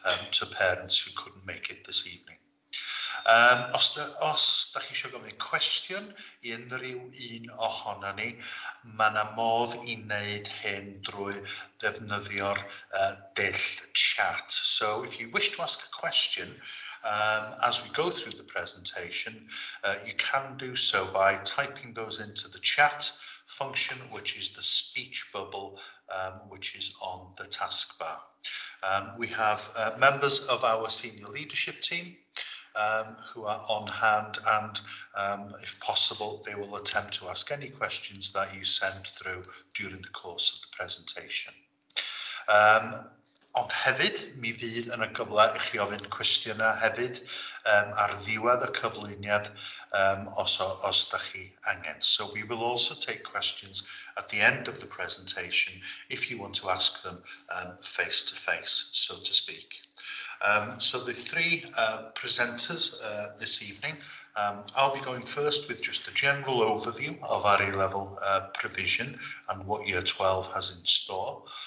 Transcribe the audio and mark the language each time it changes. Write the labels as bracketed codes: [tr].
[en] to parents who couldn't make it this evening. [cy] Os da chi eisiau gofyn cwestiwn i unrhyw un ohono ni, mae yna modd I wneud hyn drwy defnyddio'r dull chat. [en] So if you wish to ask a question as we go through the presentation, you can do so by typing those into the chat function, which is the speech bubble, which is on the taskbar. We have members of our senior leadership team who are on hand, and if possible, they will attempt to ask any questions that you send through during the course of the presentation. [cy] Ond hefyd, mi fydd yn y gyfle I chi ofyn cwestiynau hefyd ar ddiwedd y cyflwyniad os da chi angen. [en] So we will also take questions at the end of the presentation if you want to ask them face to face, so to speak. So the three presenters this evening, I'll be going first with just a general overview of our A-level provision and what Year 12 has in store.